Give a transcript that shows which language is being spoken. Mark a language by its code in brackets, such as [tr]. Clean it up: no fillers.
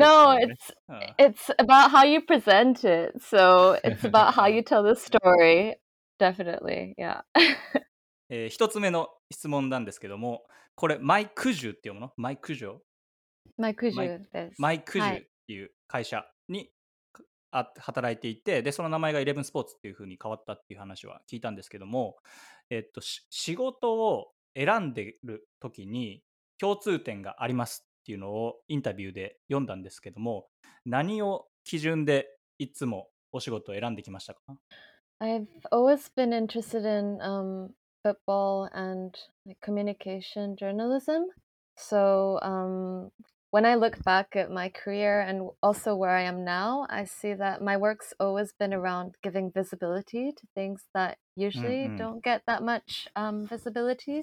[ja] よね。 [en] No, it's about how you present it. So it's about how you tell the story. Definitely, yeah. [ja] 一つ目の質問なんですけども、これマイクジュって読むの？マイクジュ？マイクジュです。マイクジュっていう会社に、はい、働いていて、でその名前がイレブンスポーツっていう風に変わったっていう話は聞いたんですけども、仕事を選んでる時に共通点がありますっていうのをインタビューで読んだんですけども、何を基準でいつもお仕事を選んできましたか [en] ？I've always been interested in football and communication journalism. So when I look back at my career and also where I am now, I see that my work's always been around giving visibility to things that usually don't get that much visibility.